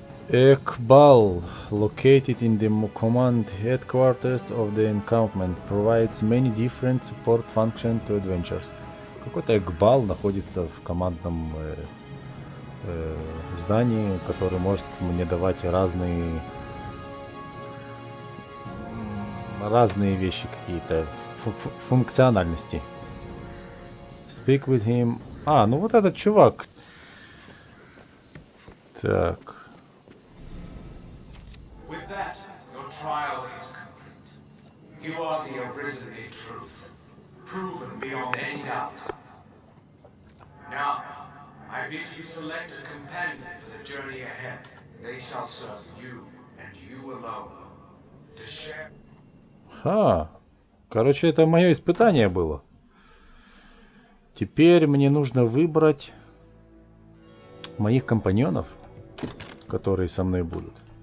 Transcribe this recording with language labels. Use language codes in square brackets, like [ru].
[en] Ekbal, located in the command headquarters of the encampment, provides many different support functions to adventures. [ru] Какой-то Экбал находится в командном здании, который может мне давать разные вещи какие-то, функциональности. [en] Speak with him. [ru] А, ну вот этот чувак. Так. [en] With that, your trial is complete. You are the arisen truth, proven beyond any doubt. Now, I bid you select a companion for the journey ahead. They shall serve you, and you alone. To share... [ru] А, короче, это мое испытание было. Теперь мне нужно выбрать моих компаньонов, которые со мной будут.